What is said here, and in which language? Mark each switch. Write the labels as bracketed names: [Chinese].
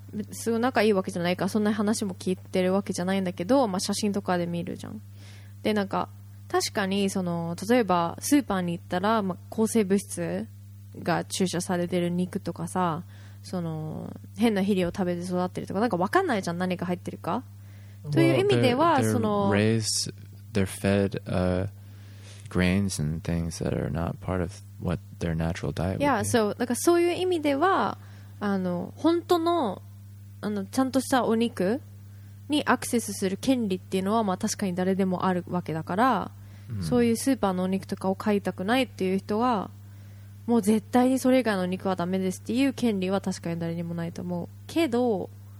[Japanese] すごい仲いいわけじゃないから、そんな話も聞いてるわけじゃないんだけど、まあ写真とかで見るじゃん。でなんか確かにその例えばスーパーに行ったら、まあ抗生物質が注射されてる肉とかさ、その変な肥料を食べて育ってるとか、なんか分かんないじゃん、何が入ってるか。という意味では、 [English] well, they're, [Japanese] その [English] raised, they're fed grains and things that are not part of what their natural diet yeah, so, [Japanese] なんかそういう意味ではあの本当 の, あのちゃんとしたお肉にアクセスする権利っていうのは、まあ、確かに誰でもあるわけだから、そういうスーパーのお肉とかを買いたくないっていう人はもう絶対にそれ以外のお肉はダメですっていう権利は確かに誰にもないと思うけど、